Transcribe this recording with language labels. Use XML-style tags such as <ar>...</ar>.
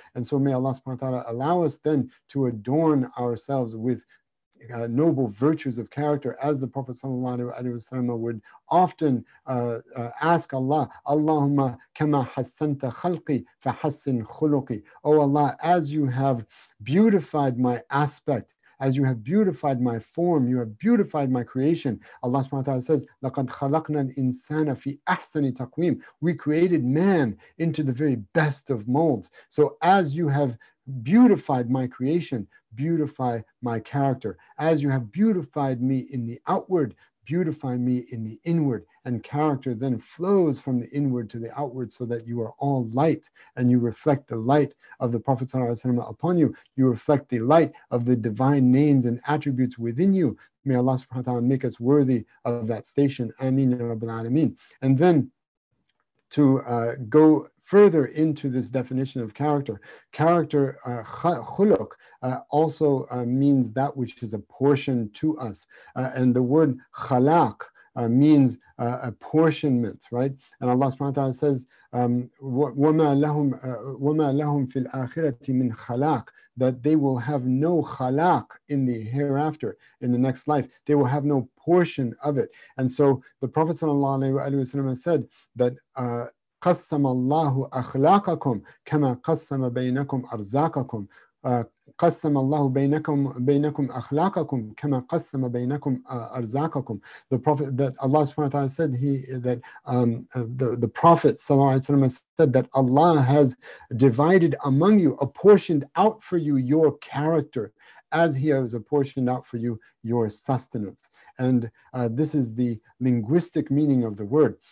<en>And so may Allah subhanahu wa ta'ala allow us then to adorn ourselves with noble virtues of character, as the Prophet sallallahu alaihi wasallam would often ask Allah,</en> <ar>Allahumma kama hassanta khalqi fa hassin khuluqi.</ar> <en>Oh Allah, as you have beautified my aspect, as you have beautified my form, you have beautified my creation. Allah subhanahu wa ta'ala says,</en> <ar>لَقَدْ خَلَقْنَا الْإِنسَانَ فِي أَحْسَنِ تَقْوِيمٍ.</ar> <en>We created man into the very best of molds. So as you have beautified my creation, beautify my character. As you have beautified me in the outward, beautify me in the inward, and character then flows from the inward to the outward, so that you are all light and you reflect the light of the Prophet ﷺ upon you. You reflect the light of the divine names and attributes within you. May Allah subhanahu wa ta'ala make us worthy of that station. Ameen ya Rabbil Alameen. And then to go further into this definition of character. Character, khuluq, also means that which is apportioned to us. And the word khalaq means apportionment, right? And Allah subhanahu wa ta'ala says,</en> <ar>وَمَا لَهُمْ فِي الْآخِرَةِ مِنْ خَلَاقٍ,</ar> <en>that they will have no khalaq in the hereafter, in the next life. They will have no portion of it. And so the Prophet ﷺ said that</en> <ar>قَسَّمَ اللَّهُ أَخْلَاقَكُمْ كَمَا قَسَّمَ بَيْنَكُمْ أَرْزَاقَكُمْ قَسَّمَ اللَّهُ بَيْنَكُمْ أَخْلَاقَكُمْ كَمَا قَسَّمَ بَيْنَكُمْ أَرْزَاقَكُمْ.</ar> <en>The Prophet, that Allah subhanahu wa ta'ala said, the Prophet sallallahu alayhi wa sallam said that Allah has divided among you, apportioned out for you your character, as He has apportioned out for you your sustenance. And this is the linguistic meaning of the word.</en>